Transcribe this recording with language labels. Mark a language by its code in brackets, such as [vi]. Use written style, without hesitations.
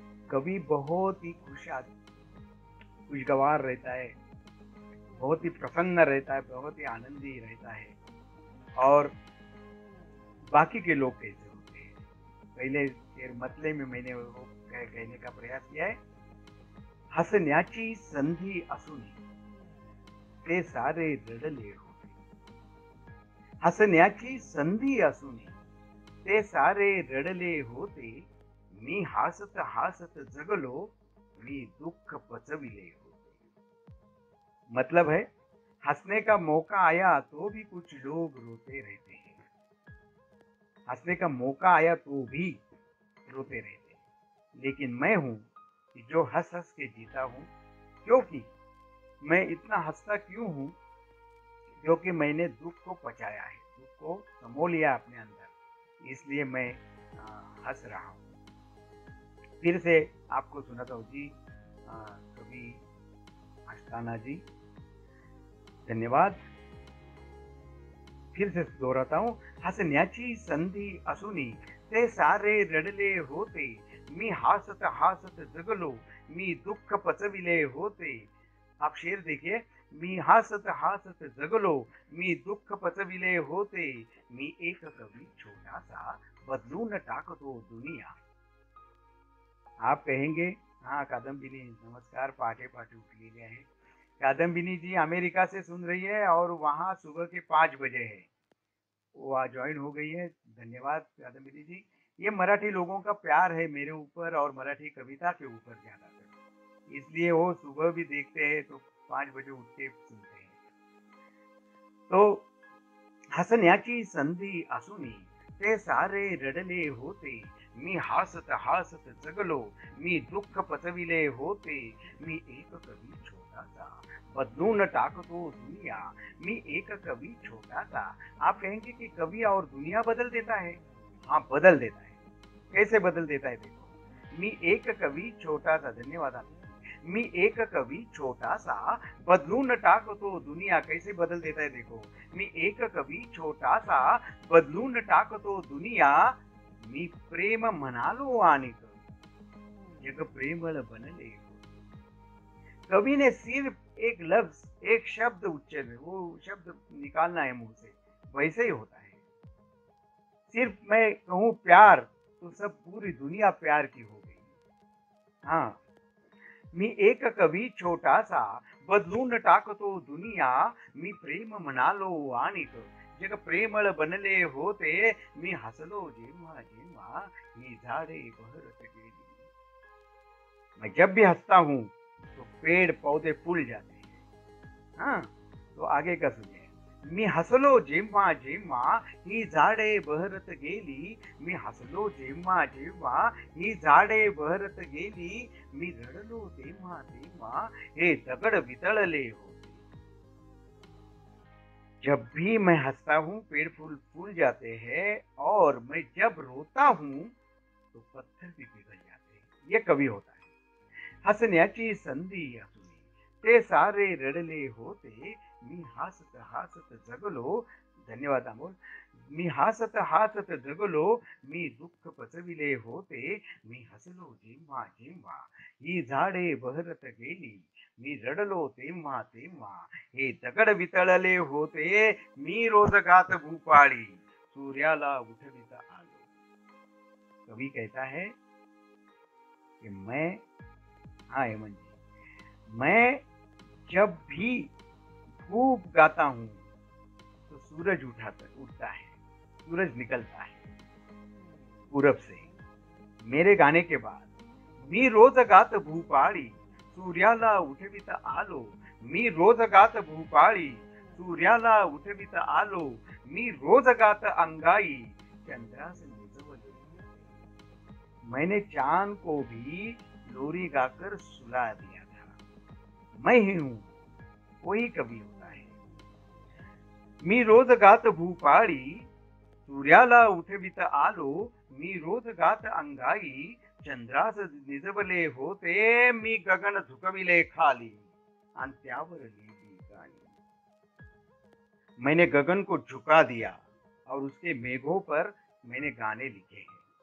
[hi] कवि बहुत ही खुशगवार रहता है, बहुत ही प्रसन्न रहता है, बहुत ही आनंदी रहता है, और बाकी के लोग कैसे होते हैं, पहले के मतले में मैंने वो कहने का प्रयास किया है। [mr] हसण्याची संधि असूनी ते सारे रडले होते, हसण्याची संधि असूनी ते सारे रडले होते, मी हासत हासत जगलो, मी दुख पचविले होते। [hi] मतलब है, हंसने का मौका आया तो भी कुछ लोग रोते रहते हैं, हंसने का मौका आया तो भी रोते रहते हैं, लेकिन मैं हूं कि जो हंस हंस के जीता हूं। क्योंकि मैं इतना हंसता क्यों हूं, क्योंकि मैंने दुख को पचाया है, दुख को समो लिया अपने अंदर, इसलिए मैं हंस रहा हूं। फिर से आपको सुनाता हूँ जी, कवि अस्ताना जी, धन्यवाद। फिर से दोहराता हूँ, [mr] हसण्याची संधी असुनी ते सारे रडले होते, मी हासत हासत जगलो, मी दुख पचविले होते। [hi] आप शेर देखिए, [mr] मी हासत हासत जगलो, मी दुख पचविले होते, मी एक कवि छोटा सा बदलून टाकतो दुनिया। [hi] आप कहेंगे हाँ कादंबिनी, नमस्कार, पाठे पाठे उठ लिए हैं। कादंबिनी जी अमेरिका से सुन रही है और वहाँ सुबह के 5 बजे है, वो आज ज्वाइन हो गई है, धन्यवाद कादंबिनी जी। ये मराठी लोगों का प्यार है मेरे ऊपर और मराठी कविता के ऊपर ज्यादातर, इसलिए वो सुबह भी देखते हैं तो 5 बजे उठ के सुनते हैं। [mr] तो हसण्याची संधी असुनी ते सारे रडले होते, मी हासत हासत जगलो, मी दुख पचविले होते, मी एक कवी छोटा सा बदलून टाकतो दुनिया, मी एक कवी छोटा सा। [hi] आप कहेंगे कि कवि और दुनिया बदल देता है, हाँ बदल देता है, कैसे बदल देता है देखो, [mr] मी एक कवी छोटा सा, [hi] धन्यवाद आप, [mr] मी एक कवी छोटा सा बदलून टाकतो दुनिया, [hi] कैसे बदल देता है देखो, [mr] मी एक कवी छोटा सा बदलून टाकतो दुनिया, मी प्रेम मनालो आनिक जग प्रेमळ बनले। [hi] कवि ने सिर्फ एक लफ्ज, एक शब्द उच्चारण, वो शब्द निकालना है मुंह से, वैसे ही होता है। सिर्फ मैं कहूं प्यार तो सब पूरी दुनिया प्यार की हो गई। [mr] हाँ, मी एक कवि छोटा सा बदलून टाकतो दुनिया, मी प्रेम मनालो आनिक जग प्रेमळ बनले होते, मी हसलो जेव्हा जेव्हा ही झाडे बहरत गेली। [hi] मैं जब भी हंसता हूं तो पेड़ पौधे फूल जाते हैं। हाँ, तो आगे का सुनिए, [mr] मी हसलो जेव्हा जेव्हा ही झाडे बहरत गेली, मी हसलो जेव्हा जेव्हा ही झाडे बहरत गेली, मी रडलो तेव्हा तेव्हा हे दगड वितळले। [hi] जब भी मैं हंसता हूँ पेड़ फूल फूल जाते हैं, और मैं जब रोता हूँ तो पत्थर भी पिघल जाते हैं। ये कवि होता है। [mr] हसण्याची संधी असुनी ते सारे रडले होते, मी हासत हासत जगलो, धन्यवाद अमोल, मी हासत हासत जगलो, मी दुख पचविले होते, मी हसलो जेव्हा जेव्हा ही झाडे बहरत गेली, मी रडलो तेव्हा तेव्हा हे दगड वितळले होते, मी रोज गात भूपाळी सूर्याला उठवित आलो। [hi] कवी कहता है कि मैं, हाँ यमन जी, मैं जब भी खूब गाता हूं तो सूरज उठता है, सूरज निकलता है पूरब से मेरे गाने के बाद, [mr] मी रोज गात भूपाळी सूर्याला उठवित आलो, मी रोज गात भूपाळी सूर्याला उठवित आलो, मी रोज गात अंगाई चंद्रास निजवले। [hi] मैंने चांद को भी लोरी गाकर सुला दिया था, मैं ही हूं वही कवि होता है। [mr] मी रोज गात भूपाळी सूर्याला उठवित आलो, मी रोज गात अंगाई चंद्रास निजवले होते, मी गगन झुकविले खाली आणि त्यावर लिहिली गाणी। [hi] मैंने गगन को झुका दिया और उसके मेघों पर मैंने गाने लिखे हैं।